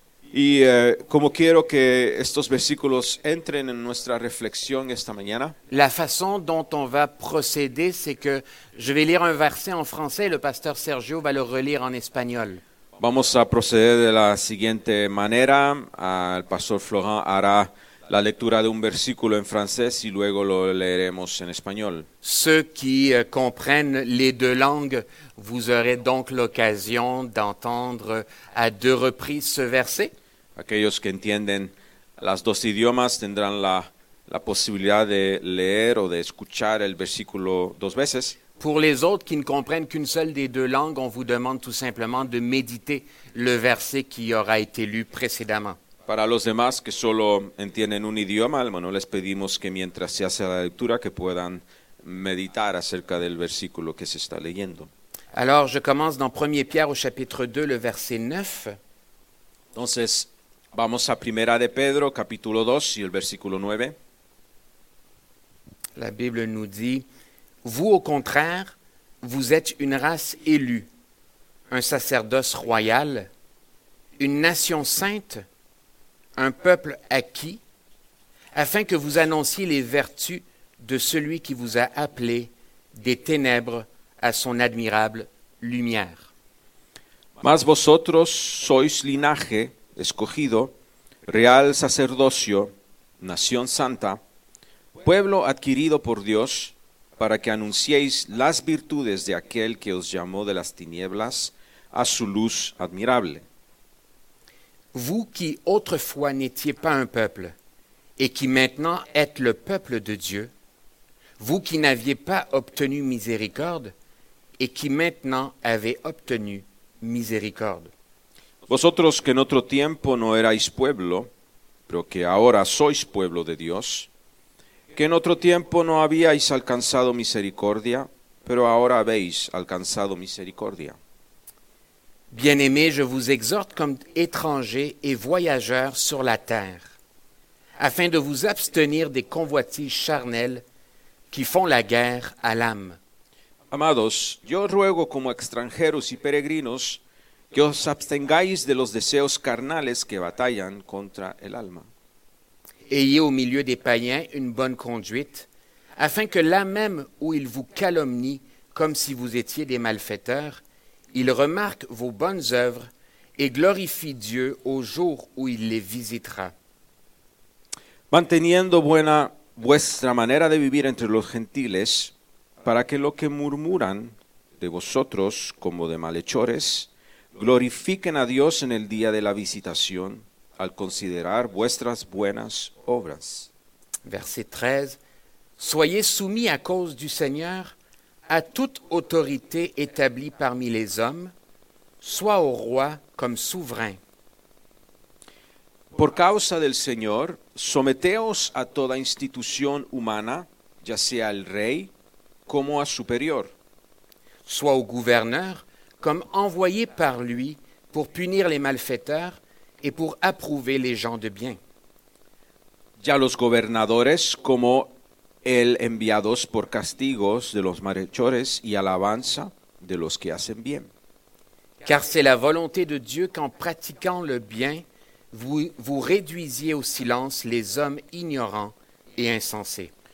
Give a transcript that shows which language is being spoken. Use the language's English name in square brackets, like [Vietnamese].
[Spanish] Y como quiero que estos versículos entren en nuestra reflexión esta mañana. [French] La façon dont on va procéder, c'est que je vais lire un verset en français et le pasteur Sergio va le relire en espagnol. [Spanish] Vamos a proceder de la siguiente manera. El pastor Florent hará la lectura de un versículo en francés y luego lo leeremos en español. [French] Ceux qui comprennent les deux langues, vous aurez donc l'occasion d'entendre à deux reprises ce verset. [Spanish] Aquellos que entienden las dos idiomas tendrán la posibilidad de leer o de escuchar el versículo dos veces. [French] Pour les autres qui ne comprennent qu'une seule des deux langues, on vous demande tout simplement de méditer le verset qui aura été lu précédemment. [Spanish] Para los demás que solo entienden un idioma, bueno, les pedimos que mientras se hace la lectura que puedan meditar acerca del versículo que se está leyendo. [French] Alors, je commence dans 1 Pierre au chapitre 2, le verset 9. [Spanish] Entonces, vamos a Primera de Pedro, capítulo 2, y el versículo 9. [French] La Bible nous dit: vous, au contraire, vous êtes une race élue, un sacerdoce royal, une nation sainte, un peuple acquis, afin que vous annonciez les vertus de celui qui vous a appelé des ténèbres à son admirable lumière. [Spanish] Mas vosotros sois linaje escogido, real sacerdocio, nación santa, pueblo adquirido por Dios, para que anunciéis las virtudes de aquel que os llamó de las tinieblas a su luz admirable. [French] Vous qui autrefois n'étiez pas un peuple et qui maintenant êtes le peuple de Dieu, vous qui n'aviez pas obtenu miséricorde et qui maintenant avez obtenu miséricorde. [Spanish] Vosotros que en otro tiempo no erais pueblo, pero que ahora sois pueblo de Dios, que en otro tiempo no habíais alcanzado misericordia, pero ahora habéis alcanzado misericordia. [French] Bien-aimés, je vous exhorte comme étrangers et voyageurs sur la terre, afin de vous abstenir des convoitises charnelles qui font la guerre à l'âme. [Spanish] Amados, yo ruego como extranjeros y peregrinos que os abstengáis de los deseos carnales que batallan contra el alma. [French] Ayez au milieu des païens une bonne conduite, afin que là même où ils vous calomnient comme si vous étiez des malfaiteurs, ils remarquent vos bonnes œuvres et glorifient Dieu au jour où il les visitera. [Spanish] Manteniendo buena vuestra manera de vivir entre los gentiles, para que lo que murmuran de vosotros como de malhechores glorifiquen a Dios en el día de la visitación, al considerar vuestras buenas obras. [French] Verset 13. Soyez soumis à cause du Seigneur à toute autorité établie parmi les hommes, soit au roi comme souverain. [Spanish] Por causa del Señor, someteos a toda institución humana, ya sea al rey como a superior. [French] Soit au gouverneur comme envoyé par lui pour punir les malfaiteurs et pour approuver les gens de bien. [Spanish] Ya los gobernadores como el enviados por castigos de los malhechores y alabanza de los que hacen bien. [French] Car c'est la volonté de Dieu qu'en pratiquant le bien, vous réduisiez au silence les hommes ignorants et insensés.